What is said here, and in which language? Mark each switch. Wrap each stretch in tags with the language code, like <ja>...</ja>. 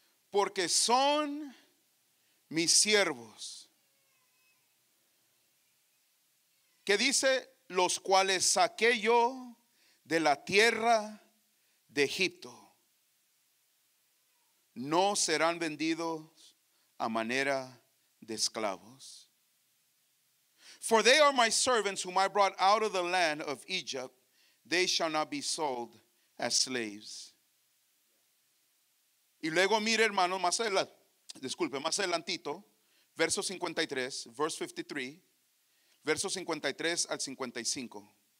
<es>Porque son mis siervos, que dice, los cuales saqué yo de la tierra de Egipto, no serán vendidos a manera de esclavos.</es> <en>For they are my servants whom I brought out of the land of Egypt. They shall not be sold as slaves.</en> <es>Y luego mire, hermano, más adelante, disculpe, más adelantito, verso 53,</es> <en>verse 53,</en> <es>verso 53 al 55.</es>